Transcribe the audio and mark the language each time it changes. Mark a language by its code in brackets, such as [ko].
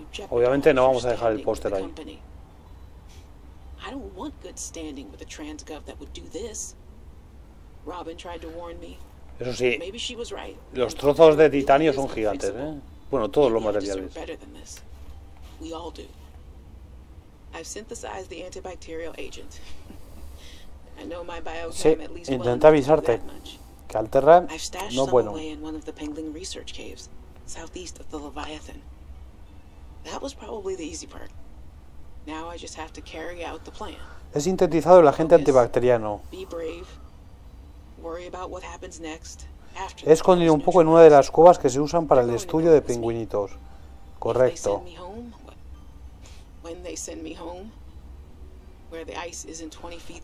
[es] Obviamente no vamos a dejar el póster ahí. [en] I don't want good standing with a transgov that would do this. Robin tried to warn me. [es] Eso sí. [en] Maybe she was right. [es] Los trozos de titanio son gigantes, ¿eh? Bueno, todos los materiales. [en] We all do. I've synthesized the antibacterial agent. I know my biochem at least. [es] Intenta avisarte. Alterra, no bueno. [en] In one of the Pengling research caves, southeast of the Leviathan. That was probably the easy part. Now I just have to carry out the plan. [es] He sintetizado el agente antibacteriano. [en] Be brave. Worry about what happens next. [es] He escondido un poco en una de las cuevas que se usan para el estudio de pingüinitos. Correcto. [en] When they send me home, where the ice isn't 20 feet.